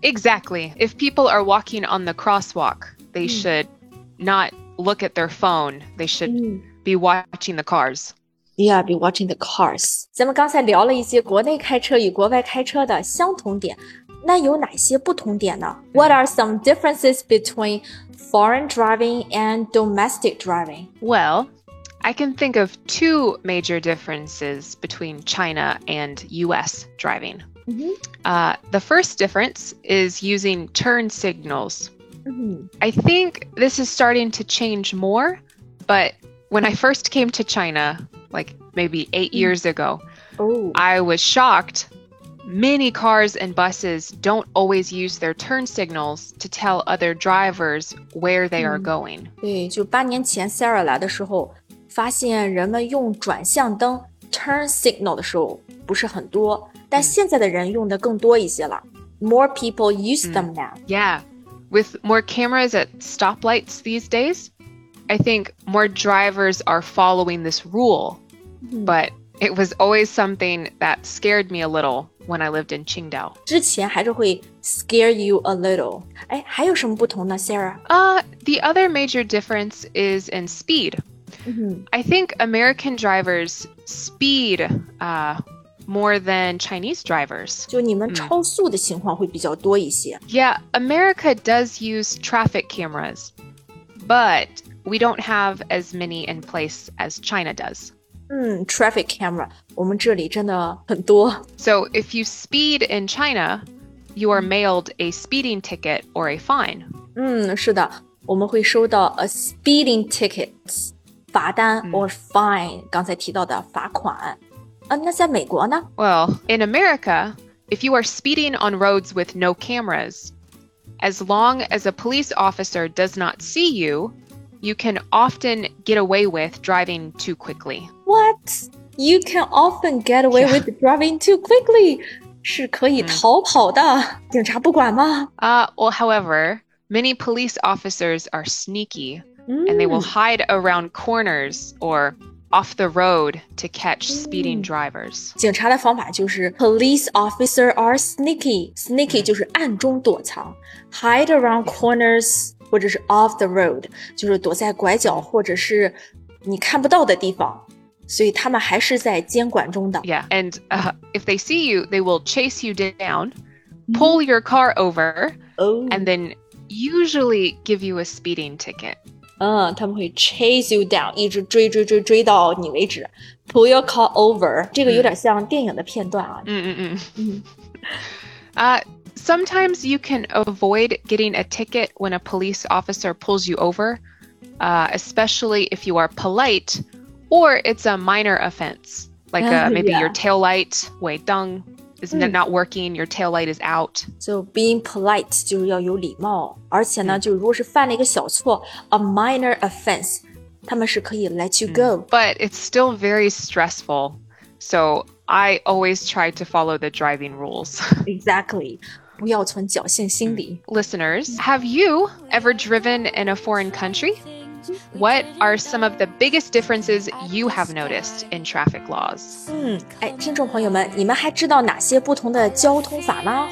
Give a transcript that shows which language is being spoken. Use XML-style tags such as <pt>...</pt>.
<en>Exactly. If people are walking on the crosswalk, they should not look at their phone. They should be watching the cars. Yeah, be watching the cars.</en> <zh>咱们刚才聊了一些国内开车与国外开车的相同点，那有哪些不同点呢？</zh> <en>What are some differences between foreign driving and domestic driving? Well, I can think of two major differences between China and U.S. driving. The first difference is using turn signals. I think this is starting to change more, but when I first came to China... like maybe 8 years ago, I was shocked. Many cars and buses don't always use their turn signals to tell other drivers where they are going.</en> <zh>对，就八年前 Sarah 来的时候，发现人们用转向灯 turn signal 的时候不是很多，但现在的人用的更多一些了。</zh> <en>More people use them now. Yeah, with more cameras at stoplights these days,I think more drivers are following this rule, but it was always something that scared me a little when I lived in Qingdao.</en> <zh>之前还是会</zh> <en>scare you a little.</en> <zh>哎，还有什么不同呢 ,Sarah?</zh> <en>The other major difference is in speed. I think American drivers speed more than Chinese drivers.</en> <zh>就你们超速的情况会比较多一些。</zh> <en>Yeah, America does use traffic cameras, but... We don't have as many in place as China does. Traffic camera.</en> <zh>我们这里真的很多。</zh> <en>So if you speed in China, you are mailed a speeding ticket or a fine.</en> <zh>是的。我们会收到</zh> <en>a speeding ticket,</en> <zh>罚单</zh> <en>or fine,</en> <zh>刚才提到的罚款。那在美国呢?</zh> <en>Well, in America, if you are speeding on roads with no cameras, as long as a police officer does not see you,You can often get away with driving too quickly. What? You can often get away with driving too quickly.</en> <zh>是可以逃跑的。警察不管吗?</zh> <en>Well, however, many police officers are sneaky, and they will hide around corners or off the road to catch speeding drivers.</en> <zh>警察的方法就是</zh> <en>police officers are sneaky.</en> <zh>Sneaky 就是暗中躲藏。</zh> <en>Hide around corners...</en> <zh>或者是</zh> <en>off the road,</en> <zh>就是躲在拐角或者是你看不到的地方。所以他们还是在监管中的。</zh> <en>Yeah, and if they see you, they will chase you down, pull your car over, and then usually give you a speeding ticket.</en> <zh>他们会</zh> <en>chase you down,</en> <zh>一直追追追追到你为止。</zh> <en>Pull your car over,</en> <zh>这个有点像电影的片段啊。</zh> <en>Sometimes you can avoid getting a ticket when a police officer pulls you over, especially if you are polite, or it's a minor offense, like maybe your taillight, 尾灯, isn't not working, your taillight is out. So being polite</en> <zh>就是要有礼貌，而且呢，就如果是犯了一个小错,</zh> <en>a minor offense,</en> <zh>他们是可以</zh> <en>let you go. But it's still very stressful, so I always try to follow the driving rules. Exactly.</en> <zh>不要存侥幸心理。</zh> <en>Listeners, have you ever driven in a foreign country? What are some of the biggest differences you have noticed in traffic laws?</en> <zh>听众朋友们，你们还知道哪些不同的交通法吗？</zh>